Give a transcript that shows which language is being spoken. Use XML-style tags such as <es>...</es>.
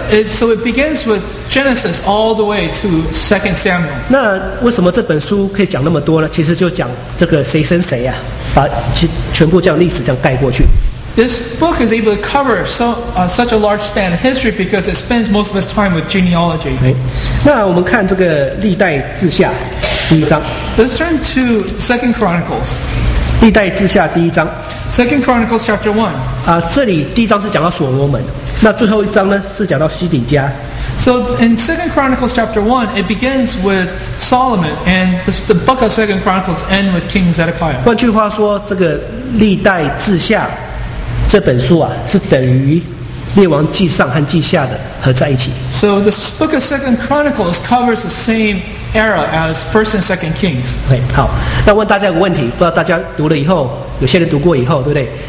<en>So it begins with Genesis all the way to 2 Samuel.</en> <zh>那为什么这本书可以讲那么多呢？其实就讲这个谁生谁啊，把全部这样历史这样盖过去。</zh> <en>This book is able to cover such a large span of history because it spends most of its time with genealogy.</en> <zh>那我们看这个历代志下第一章。</zh> <en>Let's turn to 2 Chronicles.</en> <zh>历代志下第一章。</zh> <en>Second Chronicles chapter 1.</en> <zh>这里第一章是讲到所罗门。那最后一章呢是讲到西底家。</zh> <en>So in 2 Chronicles chapter 1, it begins with Solomon, and the book of 2 Chronicles ends with King Zedekiah.</en> <zh>换句话说，这个历代志下这本书啊，是等于列王记上和记下的合在一起。</zh> <en>So the book of 2 Chronicles covers the same era as 1 and 2 Kings.</en> <zh>Okay, 好，那问大家一个问题，不知道大家读了以后，有些人读过以后，对不对？</zh>